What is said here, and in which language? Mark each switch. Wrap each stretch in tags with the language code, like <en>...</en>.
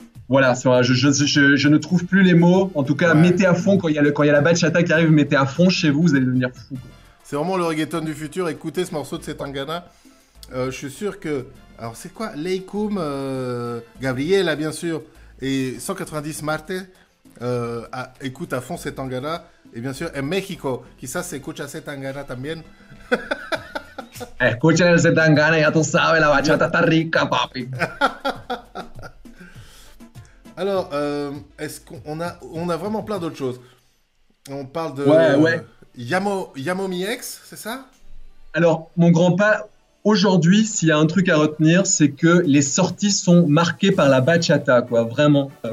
<fr>Voilà, c'est vrai, je ne trouve plus les mots. En tout cas, mettez à fond, quand il y a la bachata qui arrive, mettez à fond chez vous, vous allez devenir fou. C'est vraiment le reggaeton du futur. Écoutez ce morceau de Setangana. Je suis sûr que... Alors, c'est quoi Leikum, Gabriela, bien sûr, et 190 Marte. Écoute à fond Setangana. Et bien sûr, en México.</fr> <es>Quizás escucha Setangana también. Escucha el Setangana, ya tú sabes, la bachata está rica, papi.</es> <fr>Alors, est-ce qu'on a... On a vraiment plein d'autres choses. On parle de... Yamo Mi X, c'est ça? Alors, mon grand-pa, aujourd'hui, s'il y a un truc à retenir, c'est que les sorties sont marquées par la bachata, quoi, vraiment.</fr>